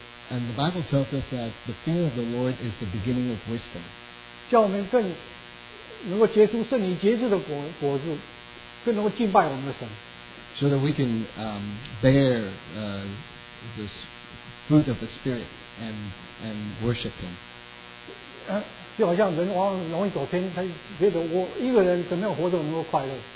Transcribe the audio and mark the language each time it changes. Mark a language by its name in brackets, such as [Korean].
[English] And the Bible tells us that the fear of the Lord is the beginning of wisdom. [Chinese] 叫我们更能够结出圣灵结出的果子，更能够敬拜我们的神。 [English] So that we can bear this fruit of the Spirit and worship Him. [Chinese] 就好像人往往容易走偏，他觉得我一个人怎么样活着能够快乐？